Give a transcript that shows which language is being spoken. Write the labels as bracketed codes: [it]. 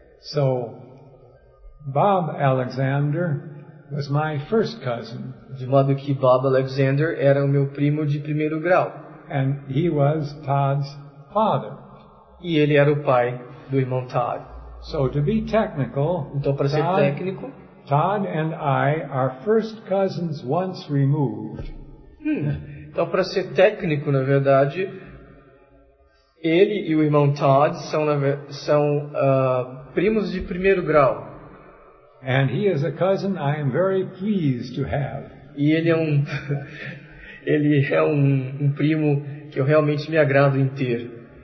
[en] So, Bob Alexander was my first cousin. [pt] De modo que Bob Alexander era o meu primo de primeiro grau. [en] And he was Todd's father. [pt] E ele era o pai do irmão Todd. [en] So to be technical, [pt] então, para ser técnico, [en] Todd and I are first cousins once removed. [pt] Então, para ser técnico, na verdade, ele e o irmão Todd são primos de primeiro grau. [en] And he is a cousin I am very pleased to have. [pt] E ele é um primo que eu realmente me agrado em ter.